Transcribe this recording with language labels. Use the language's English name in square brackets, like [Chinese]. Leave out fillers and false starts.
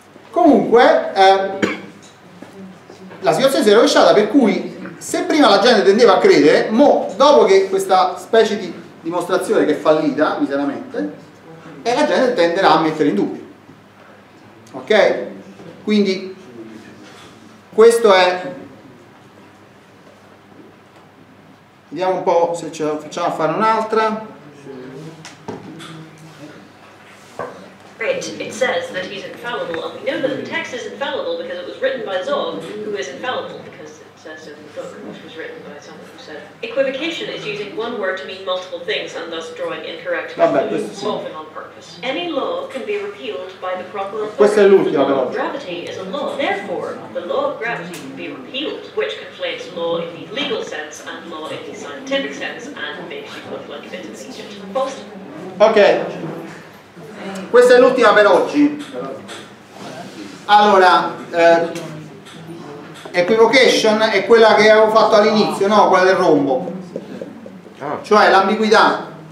[Italian] Comunque, la situazione si è rovesciata, per cui se prima la gente tendeva a credere, mo dopo che questa specie di dimostrazione che è fallita, miseramente, e la gente tenderà a mettere in dubbio. Ok? Quindi, questo è... Vediamo un po' se ce la facciamo a fare un'altra. [English] Right, it says that he's infallible, and we know that the text is infallible because it was written by Zog, who is infallible, because it says so in the book, which was written by someone who said, equivocation is using one word to mean multiple things and thus drawing incorrect conclusions, often on purpose. Any law can be repealed by the proper authority. The law of gravity is a law, therefore, the law of gravity can be repealed, which conflates law in the legal sense and law in the scientific sense, and makes you look like a bit of ancient Boston. [Italian] Okay. Questa è l'ultima per oggi. Allora, equivocation è quella che avevo fatto all'inizio, no? Quella del rombo, cioè l'ambiguità.